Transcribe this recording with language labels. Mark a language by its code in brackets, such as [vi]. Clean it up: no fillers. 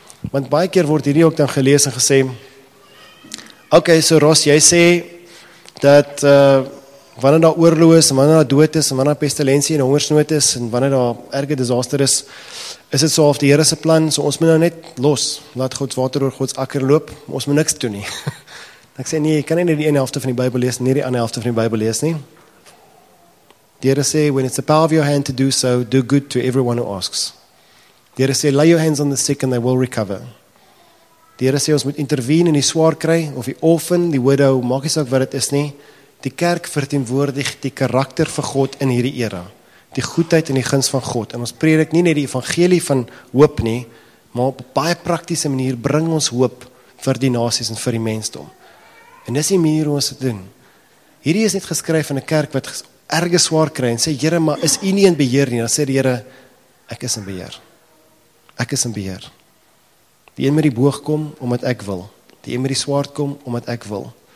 [af] Want baie keer word hierdie ook dan gelees en gesê, okay, so Ros, jy sê dat wanneer daar oorlog is, wanneer daar dood is, wanneer daar pestilensie en hongersnood is, en wanneer daar erge disaster is, is dit so of die Here se plan, so ons moet nou net los, laat God se water oor God se akker loop, ons moet niks doen nie. Ek sê nee, jy kan nie die een helfte van die Bybel lees, nie die ander helfte van die Bybel lees nie. Die Here sê, [en] when it's the power of your hand to do so, do good to everyone who asks. [af] Die Here sê, [en] lay your hands on the sick and they will recover. [af] Die Here sê, ons moet intervene in die swaar kry, of die orphan, die widow, maak nie saak wat dit is nie. Die kerk verteenwoordig die karakter van God in hierdie era. Die goedheid en die guns van God. En ons predik nie net die evangelie van hoop nie, maar op baie praktiese manier bring ons hoop vir die nasies en vir die mensdom. En dis die manier hoe ons dit doen. Hierdie is net geskryf in 'n kerk wat erge swaar kry en sê, Here, maar is u nie in beheer nie? Dan sê die Here, ek is in beheer. Ek is in beheer. Die een met die boog kom, omdat ek wil. Die een met die swaard kom, omdat ek wil.